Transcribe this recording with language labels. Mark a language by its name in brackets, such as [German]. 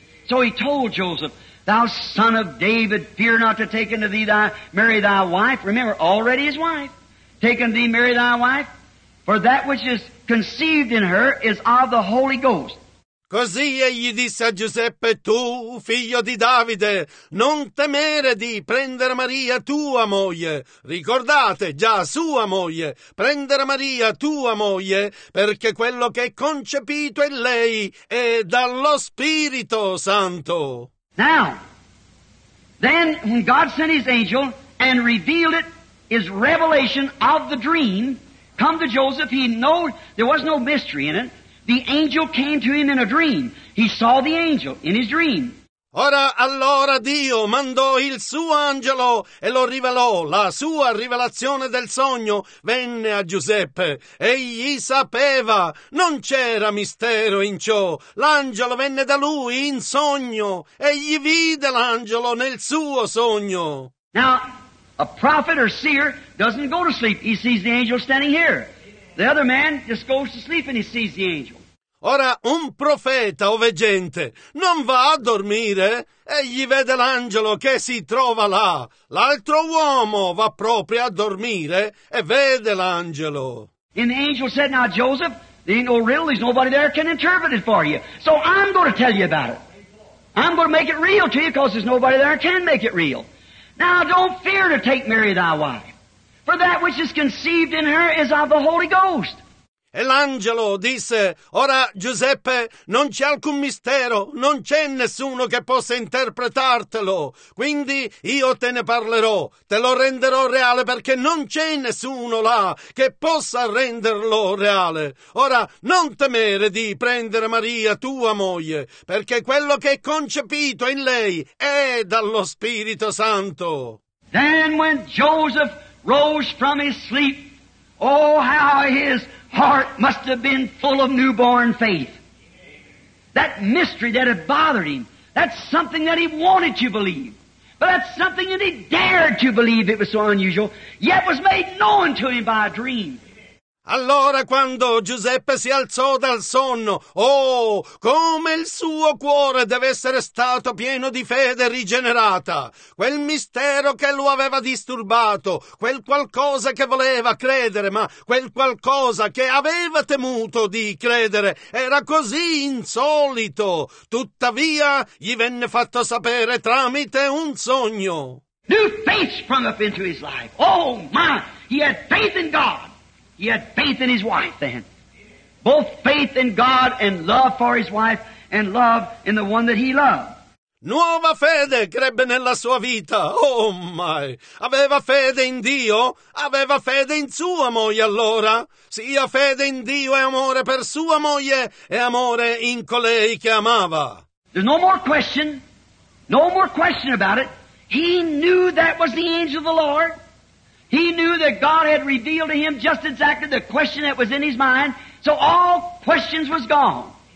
[English] So he told Joseph, thou son of David, fear not to take unto thee thy Mary thy wife. Remember, already his wife. Take unto thee Mary thy wife, for that which is conceived in her is of the Holy Ghost. [Italian] Così egli disse a Giuseppe: tu, figlio di Davide, non temere di prendere Maria, tua moglie. Ricordate, già sua moglie, prendere Maria, tua moglie, perché quello che è concepito in lei è dallo Spirito Santo. [English] Now, then God sent his angel and revealed it, his revelation of the dream, come to Joseph. He knew there was no mystery in it. The angel came to him in a dream. He saw the angel in his dream. [Italian] Ora, allora Dio mandò il suo angelo e lo rivelò. La sua rivelazione del sogno venne a Giuseppe. Egli sapeva. Non c'era mistero in ciò. L'angelo venne da lui in sogno. Egli vide l'angelo nel suo sogno. [English] Now, a prophet or seer doesn't go to sleep. He sees the angel standing here. The other man just goes to sleep and he sees the angel. [Italian] Ora, un profeta o veggente non va a dormire e gli vede l'angelo che si trova là. L'altro uomo va proprio a dormire e vede l'angelo. [English] And the angel said, now Joseph, there ain't no riddle, there's nobody there can interpret it for you. So I'm going to tell you about it. I'm going to make it real to you because there's nobody there can make it real. Now don't fear to take Mary thy wife. For that which is conceived in her is of the Holy Ghost. [Italian] E l'angelo disse: ora Giuseppe, non c'è alcun mistero, non c'è nessuno che possa interpretartelo. Quindi io te ne parlerò, te lo renderò reale, perché non c'è nessuno là che possa renderlo reale. Ora non temere di prendere Maria, tua moglie, perché quello che è concepito in lei è dallo Spirito Santo. [English] Then when Joseph rose from his sleep, oh, how his heart must have been full of newborn faith. That mystery that had bothered him, that's something that he wanted to believe. But that's something that he dared to believe, it was so unusual, yet was made known to him by a dream. [Italian] Allora, quando Giuseppe si alzò dal sonno, oh, come il suo cuore deve essere stato pieno di fede rigenerata! Quel mistero che lo aveva disturbato, quel qualcosa che voleva credere, ma quel qualcosa che aveva temuto di credere, era così insolito! Tuttavia, gli venne fatto sapere tramite un sogno. [English] New faith sprung up into his life. Oh, my! He had faith in God! He had faith in his wife then. Both faith in God and love for his wife and love in the one that he loved. [Italian] Nuova fede crebbe nella sua vita. [English] Oh my! [Italian] Aveva fede in Dio, aveva fede in sua moglie allora. Sia fede in Dio e amore per sua moglie e amore in colei che amava. [English] There's no more question. No more question about it. He knew that was the angel of the Lord. He knew that God had revealed to him just exactly the question that was in his mind, so all questions was gone.